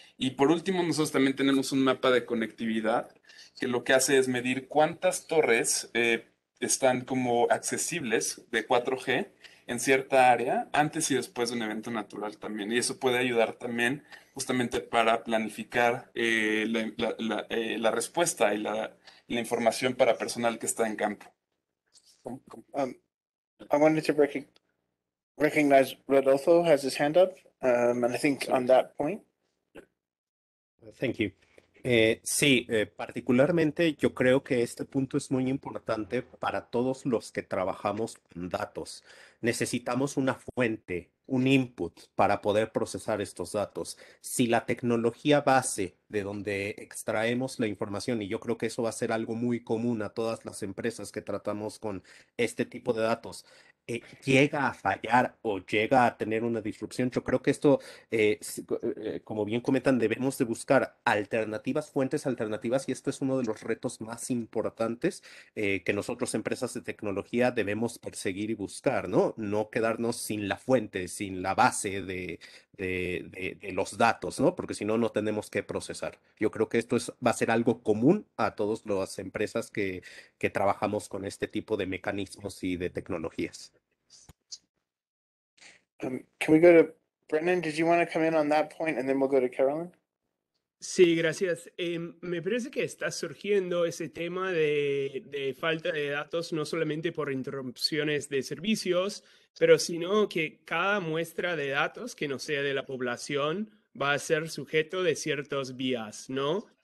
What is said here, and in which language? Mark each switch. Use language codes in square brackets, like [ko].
[es] Y por último, nosotros también tenemos un mapa de conectividad que lo que hace es medir cuántas torres están como accesibles de 4G en cierta área antes y después de un evento natural también. Y eso puede ayudar también justamente para planificar la respuesta y la información para personal que está en campo. [en] I wanted to recognize Rodolfo has his hand up, and I think on that point. Thank you. [es] Sí, particularmente yo creo que este punto es muy importante para todos los que trabajamos con datos. Necesitamos una fuente, un input para poder procesar estos datos. Si la tecnología base de donde extraemos la información, y yo creo que eso va a ser algo muy común a todas las empresas que tratamos con este tipo de datos, llega a fallar o llega a tener una disrupción. Yo creo que esto, como bien comentan, debemos de buscar alternativas, fuentes alternativas, y esto es uno de los retos más importantes que nosotros, empresas de tecnología, debemos perseguir y buscar, ¿no? No quedarnos sin la fuente, sin la base de los datos, ¿no? Porque si no, no tenemos que procesar. Yo creo que esto va a ser algo común a todas las empresas que trabajamos con este tipo de mecanismos y de tecnologías. [en] Can we go to Brennan? Did you want to come in on that point and then we'll go to Carolyn? [es] Sí, gracias. Me parece que está surgiendo ese tema de falta de datos, no solamente por interrupciones de servicios, pero sino que cada muestra de datos que no sea de la población va a ser sujeto de ciertos bias, ¿no?